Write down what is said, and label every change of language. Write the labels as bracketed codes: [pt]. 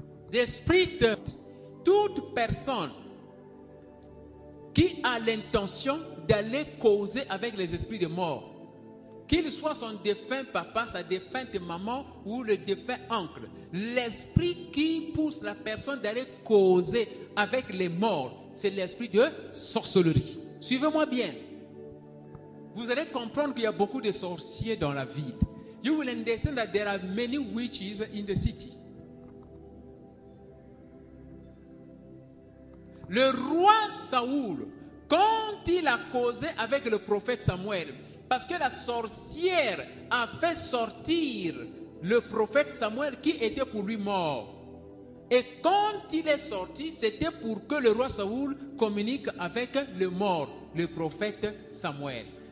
[fr] L'esprit de toute personne qui a l'intention d'aller causer avec les esprits de mort, qu'il soit son défunt papa, sa défunte maman ou le défunt oncle, l'esprit qui pousse la personne d'aller causer avec les morts, c'est l'esprit de sorcellerie. Suivez-moi bien. Vous allez comprendre qu'il y a beaucoup de sorciers dans la ville. [en] You will understand that there are many witches in the city. [fr] Le roi Saoul, quand il a causé avec le prophète Samuel, parce que la sorcière a fait sortir le prophète Samuel qui était pour lui mort. Et quand il est sorti, c'était pour que le roi Saoul communique avec le mort, le prophète Samuel.